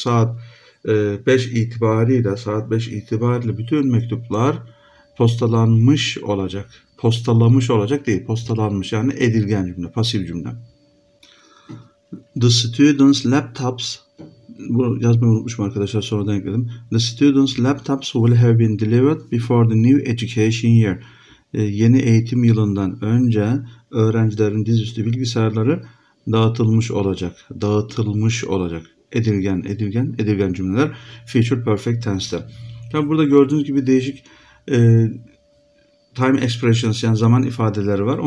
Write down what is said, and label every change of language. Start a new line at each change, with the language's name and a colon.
Turkish: Saat 5 itibariyle, saat 5 itibariyle bütün mektuplar postalanmış olacak. Postalanmış olacak değil, postalanmış yani edilgen cümle, pasif cümle.
English: The students' laptops,
Turkish: bunu yazmayı unutmuşum arkadaşlar sonra denk edelim.
English: The students' laptops will have been delivered before the new education year.
Turkish: Yeni eğitim yılından önce öğrencilerin dizüstü bilgisayarları dağıtılmış olacak. Dağıtılmış olacak. Edilgen, edilgen, edilgen cümleler. Future perfect tense'de. Yani burada gördüğünüz gibi değişik
English: time expressions
Turkish: yani zaman ifadeleri var.